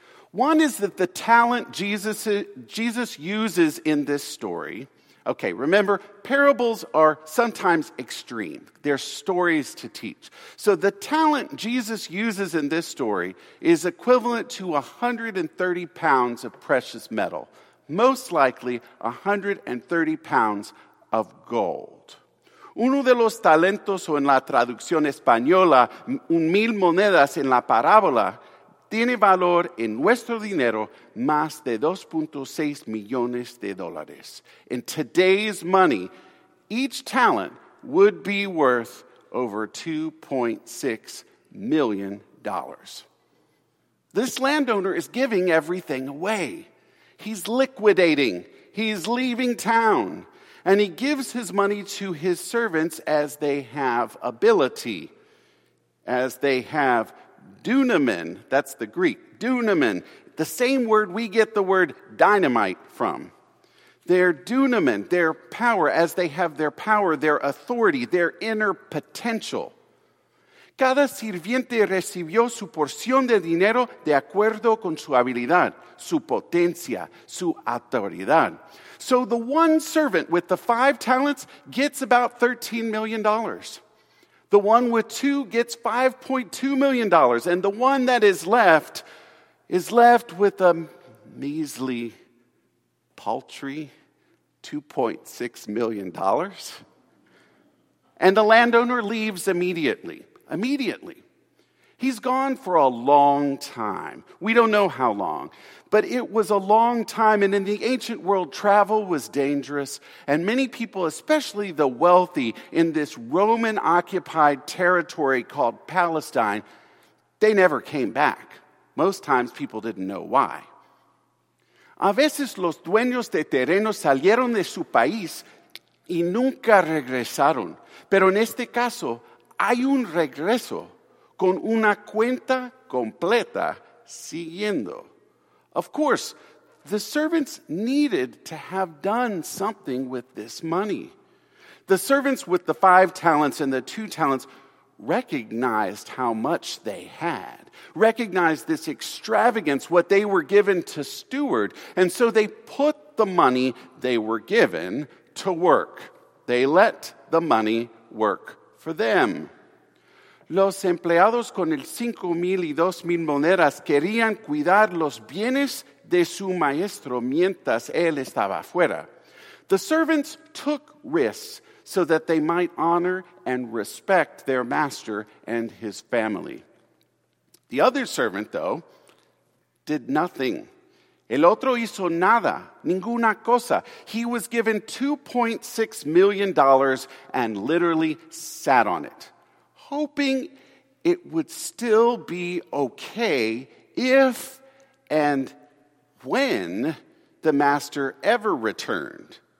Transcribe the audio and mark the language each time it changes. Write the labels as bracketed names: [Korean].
[English] One is that the talent Jesus uses in this story. Okay, remember, parables are sometimes extreme. They're stories to teach. So the talent Jesus uses in this story is equivalent to 130 pounds of precious metal, most likely 130 pounds of gold. [Spanish] Uno de los talentos, o en la traducción española, 1,000 monedas en la parábola, tiene valor en nuestro dinero más de 2.6 millones de dólares. [English] In today's money, each talent would be worth over $2.6 million. This landowner is giving everything away. He's liquidating. He's leaving town. And he gives his money to his servants as they have ability, as they have dunamen. That's the Greek, dunamen. The same word we get the word dynamite from. Their dunamen, their power, as they have their power, their authority, their inner potential. [Spanish] Cada sirviente recibió su porción de dinero de acuerdo con su habilidad, su potencia, su autoridad. [English] So the one servant with the 5 talents gets about $13 million. The one with 2 gets $5.2 million. And the one that is left with a measly, paltry $2.6 million. And the landowner leaves immediately. Immediately. He's gone for a long time. We don't know how long, but it was a long time. And in the ancient world, travel was dangerous. And many people, especially the wealthy in this Roman-occupied territory called Palestine, they never came back. Most times, people didn't know why. [Spanish] A veces los dueños de terrenos salieron de su país y nunca regresaron. Pero en este caso, hay un regreso con una cuenta completa siguiendo. [English] Of course, the servants needed to have done something with this money. The servants with the 5 talents and the 2 talents recognized how much they had, recognized this extravagance, what they were given to steward, and so they put the money they were given to work. They let the money work for them. [Spanish] Los empleados con el 5,000 y 2,000 monedas querían cuidar los bienes de su maestro mientras él estaba afuera. [English] The servants took risks so that they might honor and respect their master and his family. The other servant, though, did nothing. [Spanish] El otro hizo nada, ninguna cosa. [English] He was given $2.6 million and literally sat on it, hoping it would still be okay if and when the master ever returned.